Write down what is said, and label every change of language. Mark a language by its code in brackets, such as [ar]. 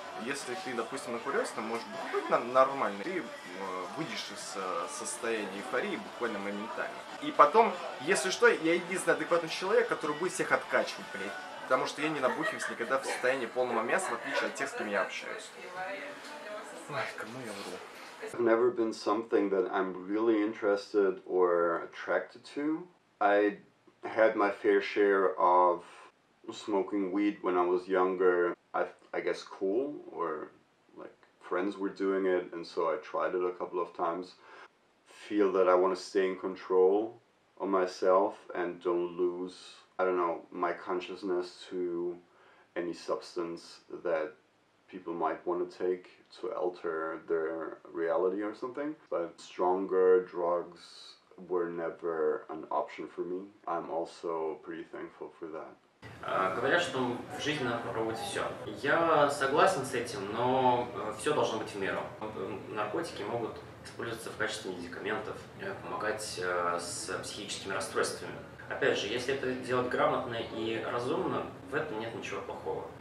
[ru] Если ты, допустим, накурился, то может быть нормально. Ты выйдешь из состояния эйфории буквально моментально. И потом, если что, я единственный адекватный человек, который будет всех откачивать, блядь. Потому что я не набухиваюсь никогда в состоянии полного мяса, в отличие от тех, с кем я общаюсь. Ой, кому я вру. [en] I've never been something that I'm really interested or attracted to. I had my fair share of smoking weed when I was younger. I guess cool, or like friends were doing it, and so I tried it a couple of times. Feel that I want to stay in control of myself and don't lose, I don't know, my consciousness to any substance that people might want to take to alter their reality or something. But stronger drugs were never an option for me. I'm also pretty thankful for that. [ru] Говорят, что в жизни надо попробовать все. Я согласен с этим, но все должно быть в меру. Наркотики могут использоваться в качестве медикаментов, помогать с психическими расстройствами. Опять же, если это делать грамотно и разумно, в этом нет ничего плохого.